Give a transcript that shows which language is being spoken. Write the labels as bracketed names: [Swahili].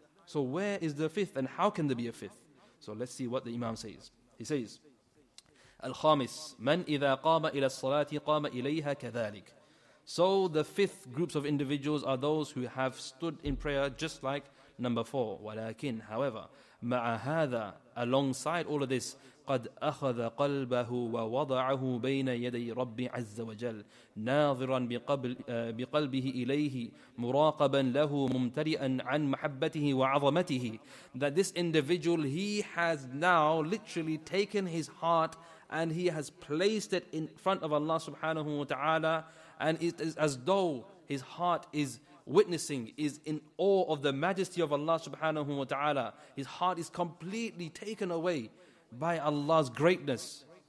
[English] So where is the fifth and how can there be a fifth? So let's see what the Imam says. He says, [Arabic] Al-Khamis, man idha qama ila salati qama ilayha kadhalik. [English] So the fifth groups of individuals are those who have stood in prayer just like number four. [Arabic] Walakin, [English] however, [Arabic] ma'a hadha, [English] alongside all of this, [Arabic] قَدْ أَخَذَ قَلْبَهُ وَوَضَعَهُ بَيْنَ يَدَيْ رَبِّ عَزَّ وَجَلْ نَاظِرًا بِقَلْبِهِ إِلَيْهِ مُرَاقَبًا لَهُ مُمْتَرِئًا عَنْ مَحَبَّتِهِ وَعَظَمَتِهِ. [English] That this individual, he has now literally taken his heart and he has placed it in front of Allah subhanahu wa ta'ala, and it is as though his heart is witnessing, is in awe of the majesty of Allah subhanahu wa ta'ala. His heart is completely taken away by Allah's greatness.